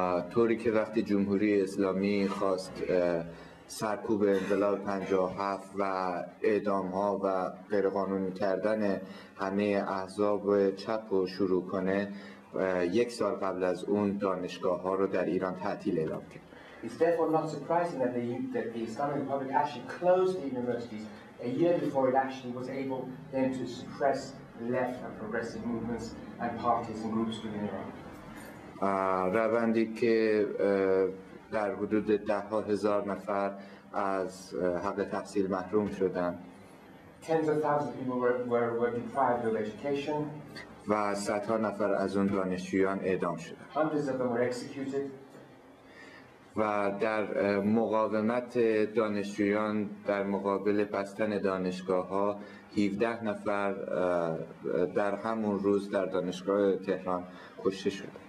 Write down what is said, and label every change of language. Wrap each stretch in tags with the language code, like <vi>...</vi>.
<fa>طوری که وقتی جمهوری اسلامی خواست سرکوب انقلاب 57 و اعدام ها و غیرقانونی کردن همه احزاب چپ رو شروع کنه یک سال قبل از اون دانشگاه ها رو در ایران تعطیل اعلام کرد.</fa> <en>It's therefore not surprising that the Islamic Republic actually closed the universities a year before it actually was able then to suppress left and progressive movements and parties and groups within Iran.</en> <fa>روندی که در حدود ده ها هزار نفر از حق تحصیل محروم شدند.</fa> <en>Tens of thousands of people were deprived of education.</en> <fa>و صدها نفر از اون دانشجویان اعدام شدند.</fa> <en>Hundreds of them were executed.</en> <fa>و در مقاومت دانشجویان در مقابل بستن دانشگاه ها 17 نفر در همون روز در دانشگاه تهران کشته شد.</fa>